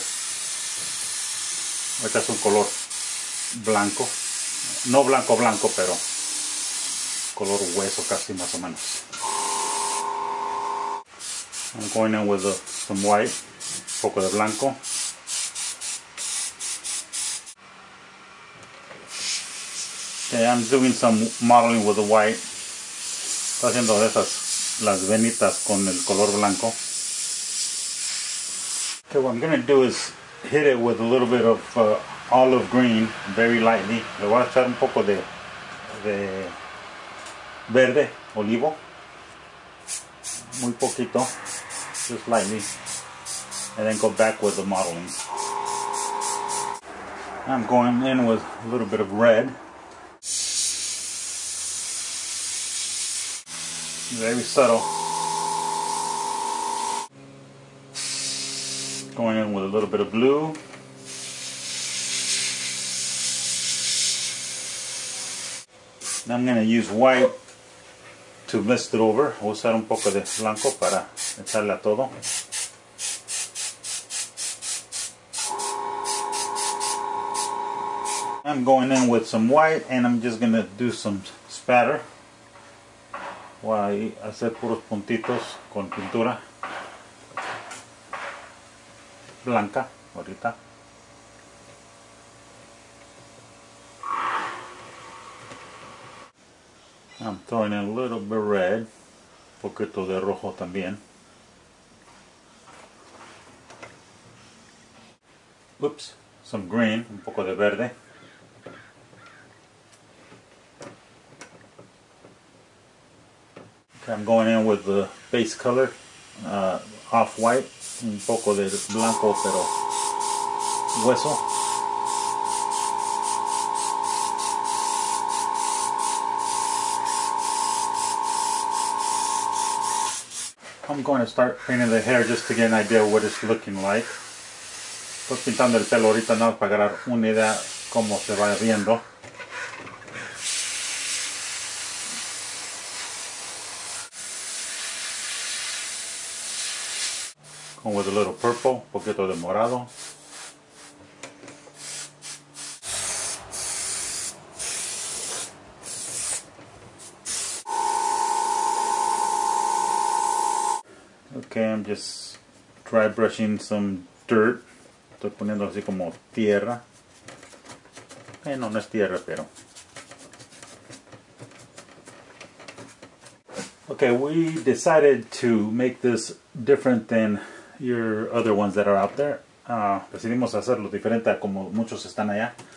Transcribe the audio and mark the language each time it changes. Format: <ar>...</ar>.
<es>Este es un color blanco, no blanco blanco, pero color hueso casi más o menos.</es> <en>I'm going in with some white,</en> <es>poco de blanco.</es> <en>Okay, I'm doing some modeling with the white.</en> <es>Estoy haciendo esas las venitas con el color blanco.</es> <en>Okay, what I'm gonna do is hit it with a little bit of olive green, very lightly.</en> <es>Le voy a echar un poco de verde, olivo. Muy poquito.</es> <en>Just lightly, and then go back with the modeling. I'm going in with a little bit of red. Very subtle. Going in with a little bit of blue. And I'm going to use white to mist it over.</en> <es>Voy a usar un poco de blanco para echarle a todo.</es> <en>I'm going in with some white and I'm just gonna do some spatter.</en> <es>Voy a hacer puros puntitos con pintura blanca ahorita.</es> <en>I'm throwing in a little bit of red,</en> <es>poquito de rojo también.</es> <en>Oops, some green,</en> <es>un poco de verde.</es> <en>Okay, I'm going in with the base color, off-white,</en> <es>un poco de blanco pero hueso.</es> <en>I'm going to start painting the hair just to get an idea of what it's looking like.</en> <es>Estoy pintando el pelo ahorita nada para agarrar una idea cómo se va viendo.</es> <en>Con with a little purple,</en> <es>poquito de morado.</es> <en>okay, I'm just dry brushing some dirt.</en> <es>Estoy poniendo así como tierra. No es tierra, pero.</es> <en>Okay, we decided to make this different than your other ones that are out there.</en> <es>Decidimos hacerlo diferente a como muchos están allá.</es>